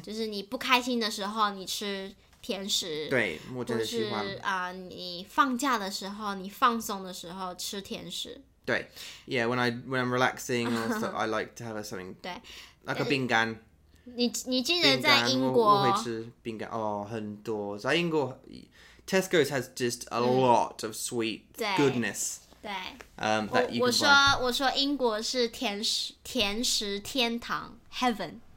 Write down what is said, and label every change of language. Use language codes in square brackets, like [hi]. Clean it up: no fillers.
[zh] 就是你不开心的时候你吃甜食。对,我真的喜欢。你放假的时候,你放松的时候吃甜食。对, [en] yeah, when I'm relaxing, also, I like to have something [zh] 对, [en] like a 饼干。 [zh] 你记得在英国我会吃饼干哦很多在英国 [en] Tesco's has just a lot of sweet [zh] 对, [en] goodness [zh] 对 [en] that you [zh] 我说英国是甜食天堂 heaven